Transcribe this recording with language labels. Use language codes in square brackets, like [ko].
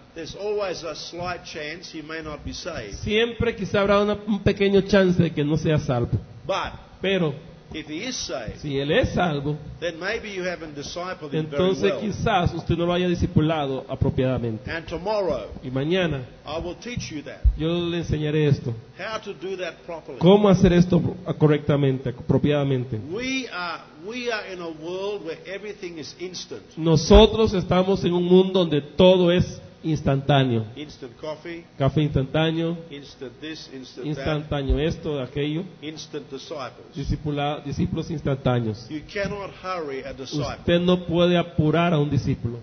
[en] there's always a slight chance he may not be saved. [es] Siempre quizá habrá un pequeño chance de que no sea salvo. [en] But, [es] pero [en] if he is saved, [es] si él es salvo, [en] then maybe you haven't discipled him very well. [es] Quizás usted no lo haya discipulado apropiadamente. [en] And tomorrow, [es] y mañana, [en] I will teach you that. [es] Yo le enseñaré esto. [en] How to do that properly. [es] Cómo hacer esto correctamente, apropiadamente. [en] We are in a world where everything is instant. [es] Nosotros estamos en un mundo donde todo es instantáneo. [en] Instant coffee, [es] café instantáneo. [en] Instant this, instant [es] instantáneo [en] that. [es] Esto, aquello. [en] Instant disciples. [es] Discípulos instantáneos. [en] You cannot hurry a disciple. [es] Usted no puede apurar a un discípulo.